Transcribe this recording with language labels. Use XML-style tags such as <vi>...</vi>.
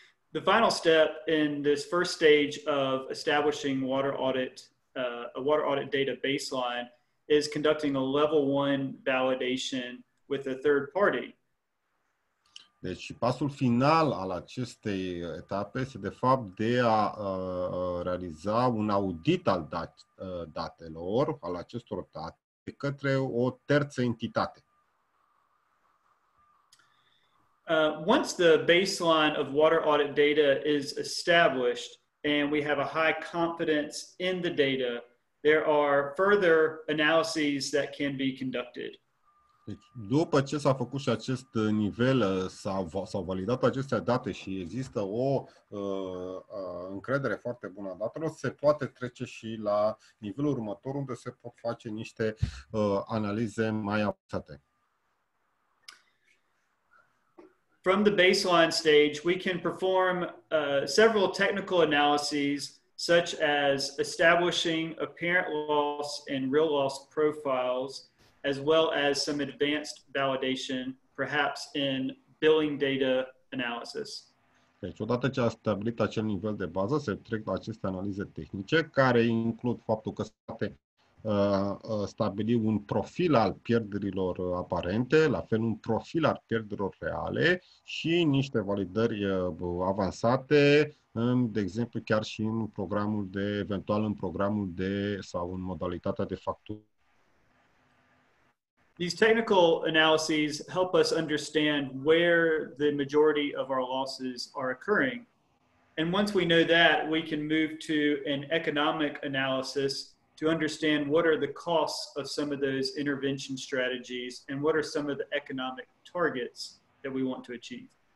<en>The final step in this first stage of establishing water audit data baseline is conducting a level one validation with a third party.</en> <ro>Deci pasul final al acestei etape este de fapt de a realiza un audit al datelor, al acestor date, către o terță entitate.</ro> <en>Once the baseline of water audit data is established and we have a high confidence in the data, there are further analyses that can be conducted.</en> <ro>Deci, după ce s-a făcut și acest nivel, s-au validat aceste date și există o încredere foarte bună a datelor, se poate trece și la nivelul următor unde se pot face niște analize mai avansate.</ro> <en>From the baseline stage, we can perform several technical analyses, such as establishing apparent loss and real loss profiles, as well as some advanced validation, perhaps in billing data analysis.</en> <ro>Deci, odată ce a stabilit acel nivel de bază, se trec la aceste analize tehnice, care includ faptul că se poate stabili un profil al pierderilor aparente, la fel un profil al pierderilor reale și niște validări avansate, de exemplu, chiar și în programul de, eventual în programul de, sau în modalitatea de factură.</ro> <en>These technical analyses help us understand where the majority of our losses are occurring. And once we know that, we can move to an economic analysis to understand what are the costs of some of those intervention strategies and what are some of the economic targets that we want to achieve.</en>